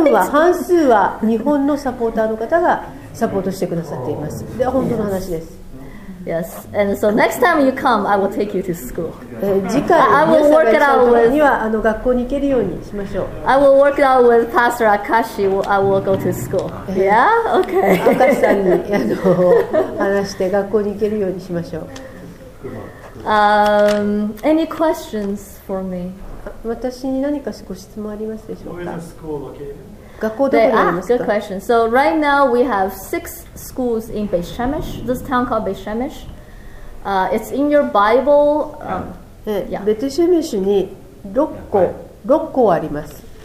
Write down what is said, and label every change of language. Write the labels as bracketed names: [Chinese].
[Japanese] 半数は日本のサポーターの方がサポートしてくださっています。で、本当の話です。 [English] Yes, and so next time you come, I will take you to school. [Japanese] 次回皆さんが来た頃には学校に行けるようにしましょう。 [English] I will work it out with Pastor Akashi. I will go to school. Yeah? Okay. [Japanese] Akashi さんに話して学校に行けるようにしましょう。 [English] Any questions for me? [Japanese] 私に何かご質問ありますでしょうか? [English] Where is the school located? [Japanese] 学校どこにありますか? [English] Good question. So right now we have six schools in Beit Shemesh, this town called Beit Shemesh. It's in your Bible. [Japanese] Beit Shemesh に6校あります。